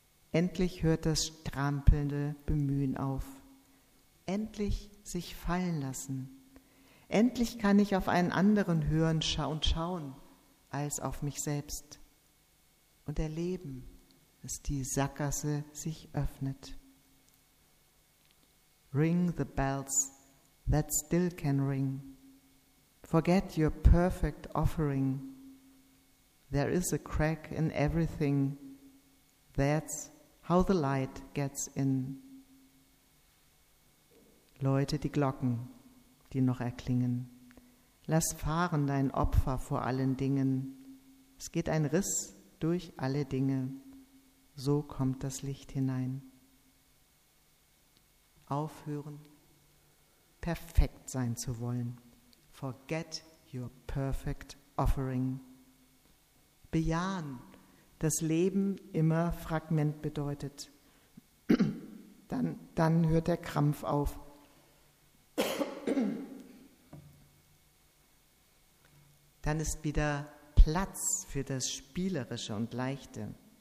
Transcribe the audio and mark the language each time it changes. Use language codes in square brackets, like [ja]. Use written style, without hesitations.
[de] Endlich hört das strampelnde Bemühen auf. Endlich sich fallen lassen. Endlich kann ich auf einen anderen hören und schauen als auf mich selbst. Und erleben, dass die Sackgasse sich öffnet. [en] Ring the bells that still can ring. Forget your perfect offering. There is a crack in everything. That's how the light gets in. [de] Läute die Glocken, die noch erklingen. Lass fahren dein Opfer vor allen Dingen. Es geht ein Riss durch alle Dinge. So kommt das Licht hinein. Aufhören, perfekt sein zu wollen. [en] Forget your perfect offering. [de] Bejahen, dass Leben immer Fragment bedeutet. Dann hört der Krampf auf. Dann ist wieder Platz für das Spielerische und Leichte.